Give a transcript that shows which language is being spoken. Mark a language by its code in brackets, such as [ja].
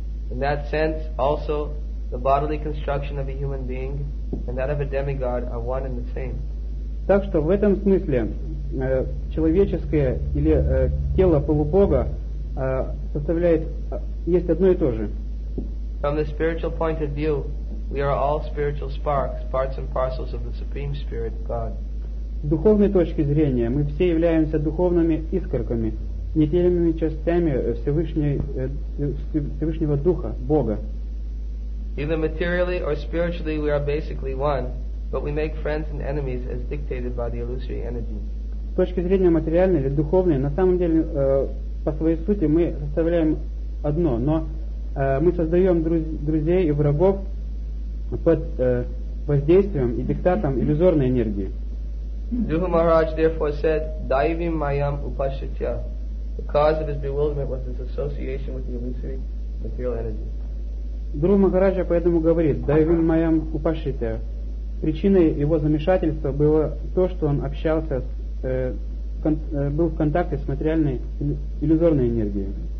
[en] In that sense, also the bodily construction of a human being and that of a demigod are one and the same. [ru] Так что в этом смысле человеческое или тело полубога составляет есть одно и то же. [en] From the spiritual point of view, we are all spiritual sparks, parts and parcels of the Supreme Spirit, God. [ru] С духовной точки зрения мы все являемся духовными искорками, нетелесными частями Всевышнего Духа, Бога. [en] Either materially or spiritually, we are basically one, but we make friends and enemies as dictated by the illusory energy. [ru] С точки зрения материальной или духовной, на самом деле, по своей сути, мы составляем одно, но мы создаем друзей и врагов под воздействием и диктатом иллюзорной энергии. Дюха Махарадж therefore said, [sa] Дайвим майам упашитья. [en] The cause of his bewilderment was his association with the illusory material energy. [ru] Дюха Махарадж поэтому говорит, [sa] Дайвим майам упашитья. [ru] Причиной его замешательства было то, что он общался, был в контакте с материальной иллюзорной энергией.